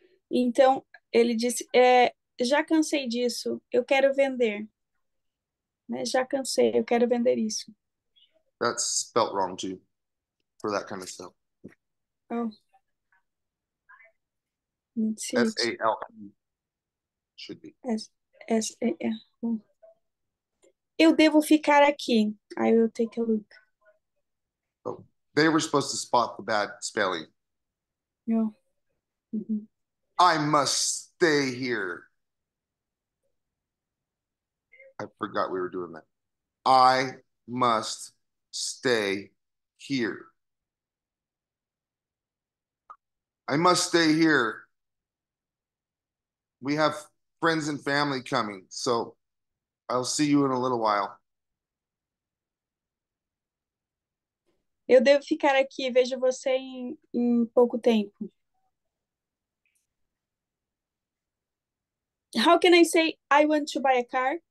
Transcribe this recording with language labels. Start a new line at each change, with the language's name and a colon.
Portuguese: Então, ele disse, já cansei disso, eu quero vender. Né? Já cansei, eu quero vender isso.
English: That's spelt wrong too, for that kind of stuff. Oh. S Let's A L E should be. S-A-L.
Portuguese: Eu devo ficar aqui.
English: I will take a look. Oh, they were supposed to spot the bad spelling.
Portuguese: Não.
English: I must stay here. I forgot we were doing that. I must stay here. I must stay here. We have friends and family coming, so I'll see you in a little while.
Portuguese: Eu devo ficar aqui, vejo você em pouco tempo.
English: How can I say I want to buy a car?